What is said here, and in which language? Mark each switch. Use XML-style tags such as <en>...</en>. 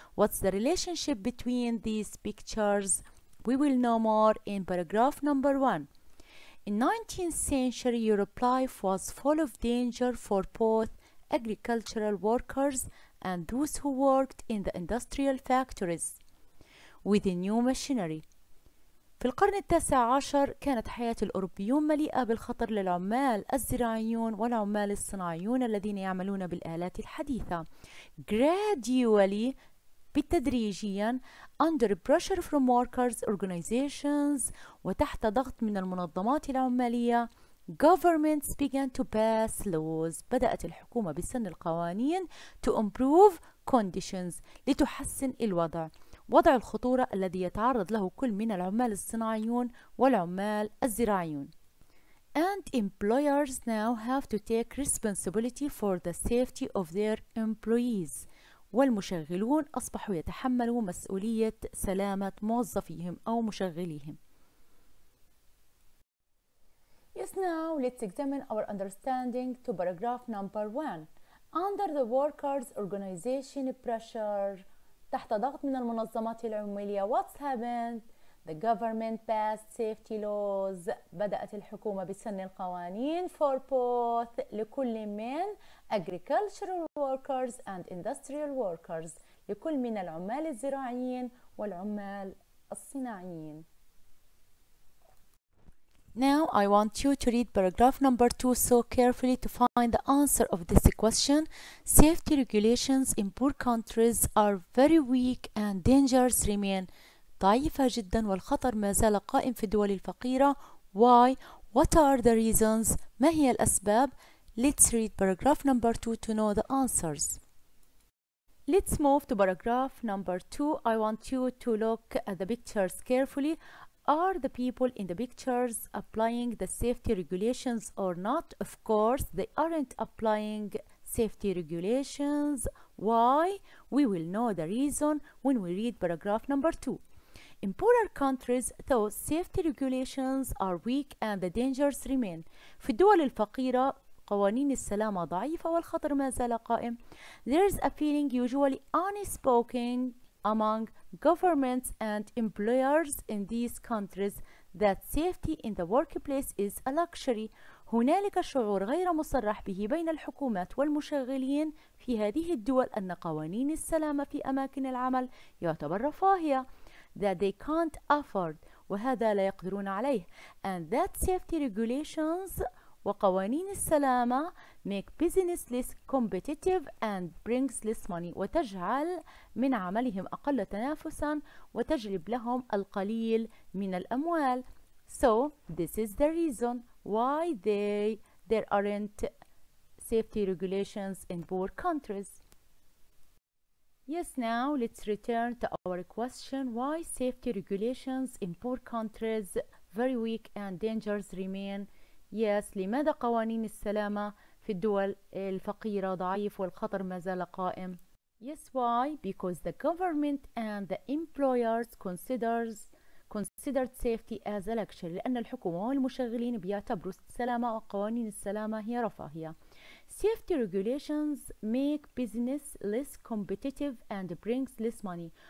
<en>What's the relationship between these pictures? We will know more in paragraph number 1. In 19th century, Europe life was full of danger for both agricultural workers and those who worked in the industrial factories with the new machinery.</en> <ar>في القرن التاسع عشر كانت حياة الأوروبيون مليئة بالخطر للعمال الزراعيون والعمال الصناعيون الذين يعملون بالآلات الحديثة.</ar> <en>Gradually,</en> <ar>بالتدريجياً,</ar> <en>under pressure from workers' organizations</en> <ar>وتحت ضغط من المنظمات العمالية,</ar> <en>governments began to pass laws.</en> <ar>بدأت الحكومة بسن القوانين</ar> <en>to improve conditions</en> <ar>لتحسن الوضع. وضع الخطورة الذي يتعرض له كل من العمال الصناعيون والعمال الزراعيون.</ar> <en>And employers now have to take responsibility for the safety of their employees.</en> <ar>والمشغلون أصبحوا يتحملوا مسؤولية سلامة موظفيهم أو مشغليهم.</ar> <en>Yes, now let's examine our understanding to paragraph number 1. Under the workers' organization pressure,</en> <ar>تحت ضغط من المنظمات العمالية.</ar> <en>What's happened? The government passed safety laws.</en> <ar>بدأت الحكومة بسن القوانين</ar> <en>for both</en> <ar>لكل من</ar> <en>agricultural workers and industrial workers.</en> <ar>لكل من العمال الزراعيين والعمال الصناعيين.</ar> <en>Now I want you to read paragraph number 2 so carefully to find the answer of this question. Safety regulations in poor countries are very weak and dangers remain.</en> <ar>ضعيفة جدا والخطر ما زال قائم في الدول الفقيرة.</ar> <en>Why? What are the reasons?</en> <ar>ما هي الأسباب؟</ar> <en>Let's read paragraph number 2 to know the answers. Let's move to paragraph number 2. I want you to look at the pictures carefully. Are the people in the pictures applying the safety regulations or not? Of course, they aren't applying safety regulations. Why? We will know the reason when we read paragraph number 2. In poorer countries, though, safety regulations are weak and the dangers remain.</en> <ar>في الدول الفقيرة قوانين السلامة ضعيفة والخطر ما زال قائم.</ar> <en>There is a feeling usually unspoken among governments and employers in these countries that safety in the workplace is a luxury.</en> <ar>هنالك شعور غير مصرح به بين الحكومات والمشغلين في هذه الدول أن قوانين السلامة في أماكن العمل يعتبر رفاهية.</ar> <en>That they can't afford.</en> <ar>وهذا لا يقدرون عليه.</ar> <en>And that safety regulations</en> <ar>وقوانين السلامة</ar> <en>make business less competitive and brings less money</en> <ar>وتجعل من عملهم أقل تنافسا وتجلب لهم القليل من الأموال.</ar> <en>So this is the reason why there aren't safety regulations in poor countries. Yes, now let's return to our question. Why safety regulations in poor countries very weak and dangers remain?</en> <ar>Yes, لماذا قوانين السلامة في الدول الفقيرة ضعيف والخطر ما زال قائم؟</ar> <en>Yes, why? Because the government and the employers considered safety as a luxury.</en> <ar>لأن الحكومة والمشغلين بيعتبروا السلامة وقوانين السلامة هي رفاهية.</ar> <en>Safety regulations make business less competitive and brings less money.</en>